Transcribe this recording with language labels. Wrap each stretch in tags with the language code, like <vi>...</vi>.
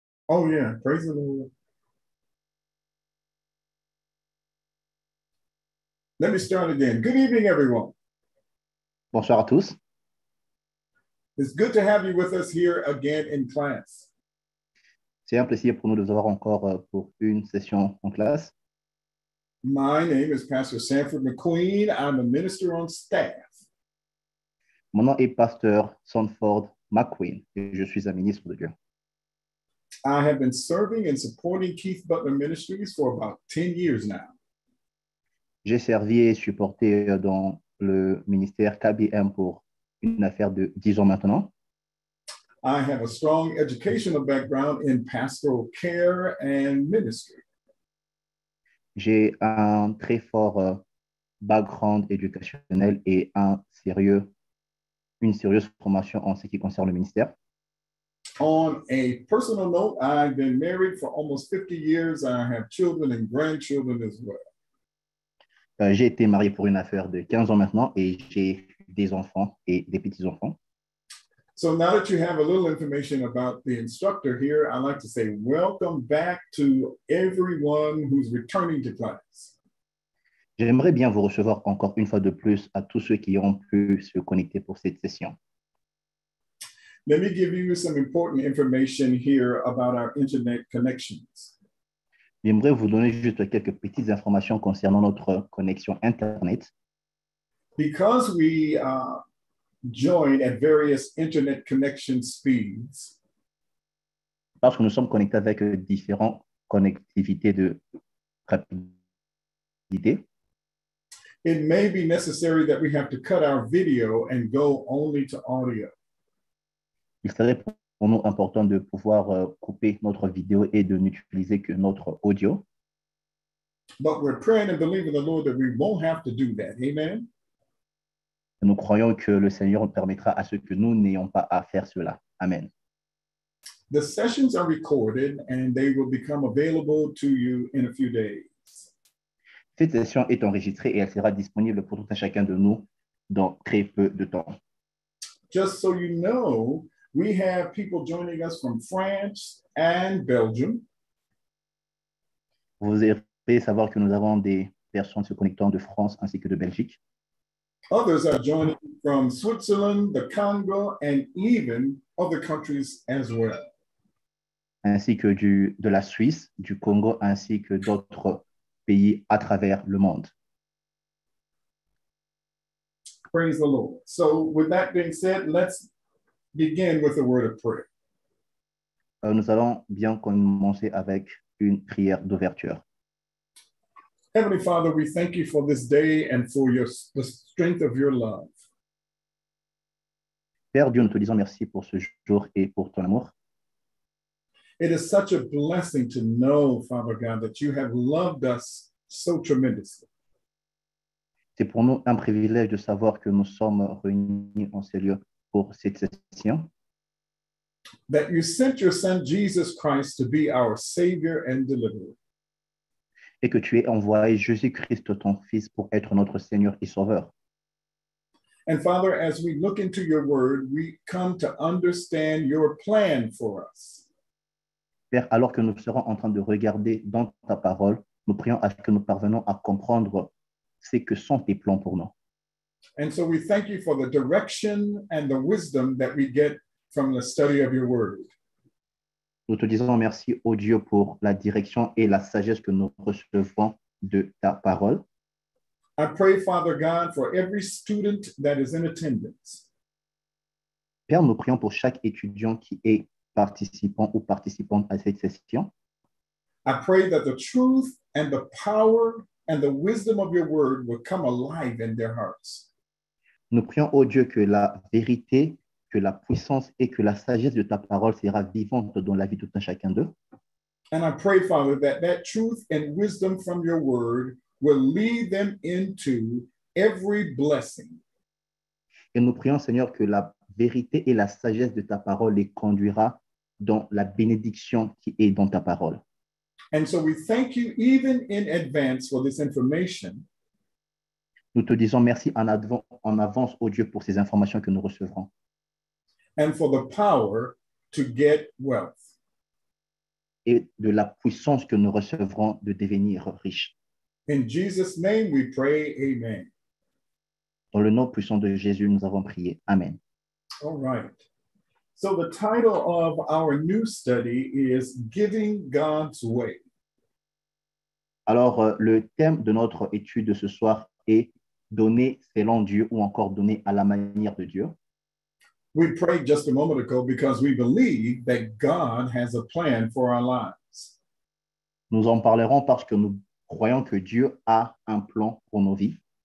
<en>Oh, yeah. Praise the Lord. Let me start again. Good evening, everyone.</en> <fr>Bonsoir à tous.</fr> <en>It's good to have you with us here again in class.</en> <fr>C'est un plaisir pour nous de vous avoir encore pour une session en classe.</fr> <en>My name is Pastor Sanford McQueen. I'm a minister on staff.</en> <fr>Mon nom est Pasteur Sanford McQueen et je suis un ministre de Dieu.</fr> <en>I have been serving and supporting Keith Butler Ministries for about 10 years now.</en> <fr>J'ai servi et supporté dans le ministère KBM pour une affaire de 10 ans maintenant.</fr> <en>I have a strong educational background in pastoral care and ministry.</en> <fr>J'ai un très fort background éducationnel et une sérieuse formation en ce qui concerne le ministère.</fr> <en>On a personal note, I've been married for almost 50 years. I have children and grandchildren as well.</en> <fr>J'ai été marié pour une affaire de 15 ans maintenant et j'ai des enfants et des petits-enfants.</fr> <en>So now that you have a little information about the instructor here, I'd like to say welcome back to everyone who's returning to class.</en> <fr>J'aimerais bien vous recevoir encore une fois de plus à tous ceux qui ont pu se connecter pour cette session.</fr> <en>Let me give you some important information here about our internet connections.</en> <fr>J'aimerais vous donner juste quelques petites informations concernant notre connexion internet.</fr> <en>Because we join at various internet connection speeds.</en> <fr>Parce que nous sommes connectés avec différentes connectivités de rapidité.</fr> <en>It may be necessary that we have to cut our video and go only to audio.</en> <fr>Il serait pour nous important de pouvoir couper notre vidéo et de n'utiliser que notre audio.</fr> <en>But we're praying and believing the Lord that we won't have to do that. Amen.</en> <fr>Nous croyons que le Seigneur permettra à ce que nous n'ayons pas à faire cela. Amen.</fr> <en>The sessions are recorded and they will become available to you in a few days.</en> <fr>Cette session est enregistrée et elle sera disponible pour tout un chacun de nous dans très peu de temps.</fr> <en>Just so you know, we have people joining us from France and Belgium.</en> <fr>Vous devez savoir que nous avons des personnes se connectant de France ainsi que de Belgique.</fr> <en>Others are joining from Switzerland, the Congo, and even other countries as well.</en> <fr>Ainsi que de la Suisse, du Congo, ainsi que d'autres pays à travers le monde.</fr> <en>Praise the Lord. So with that being said, let's begin with a word of prayer.</en> <fr>Nous allons bien commencer avec une prière d'ouverture.</fr> <en>Heavenly Father, we thank you for this day and for the strength of your love.</en> <fr>Père Dieu, nous te disons merci pour ce jour et pour ton amour.</fr> <en>It is such a blessing to know, Father God, that you have loved us so tremendously.</en> <fr>C'est pour nous un privilège de savoir que nous sommes réunis en ces lieux pour cette session.</fr> <en>That you sent your Son Jesus Christ to be our Savior and Deliverer.</en> <fr>Et que tu aies envoyé Jésus-Christ, ton Fils, pour être notre Seigneur et Sauveur.</fr> <en>And Father, as we look into your word, we come to understand your plan for us.</en> <fr>Père, alors que nous serons en train de regarder dans ta parole, nous prions à ce que nous parvenions à comprendre ce que sont tes plans pour nous.</fr> <en>And so we thank you for the direction and the wisdom that we get from the study of your word.</en> <fr>Nous te disons merci, ô Dieu, pour la direction et la sagesse que nous recevons de ta parole.</fr> <en>I pray, Father God, for every student that is in attendance.</en> <fr>Père, nous prions pour chaque étudiant qui est participant ou participante à cette session.</fr> <en>I pray that the truth and the power and the wisdom of your word will come alive in their hearts.</en> <fr>Nous prions, ô Dieu, que la vérité, que la puissance et que la sagesse de ta parole sera vivante dans la vie de chacun d'eux.</fr> <en>And I pray, Father, that that truth and wisdom from your word will lead them into every blessing.</en> <fr>Et nous prions, Seigneur, que la vérité et la sagesse de ta parole les conduira dans la bénédiction qui est dans ta parole.</fr> <en>And so we thank you even in advance for this information.</en> <fr>Nous te disons merci en avance, ô Dieu, pour ces informations que nous recevrons.</fr> <en>And for the power to get wealth.</en> <fr>Et de la puissance que nous recevrons de devenir riches.</fr> <en>In Jesus' name we pray, amen.</en> <fr>Dans le nom puissant de Jésus, nous avons prié. Amen.</fr> <en>All right. So the title of our new study is Giving God's Way.</en> <fr>Alors, le thème de notre étude de ce soir est Donner selon Dieu ou encore donner à la manière de Dieu.</fr> <en>We prayed just a moment ago because we believe that God has a plan for our lives.</en> <fr>Nous en parlerons parce que nous croyons que Dieu a un plan pour nos vies.</fr>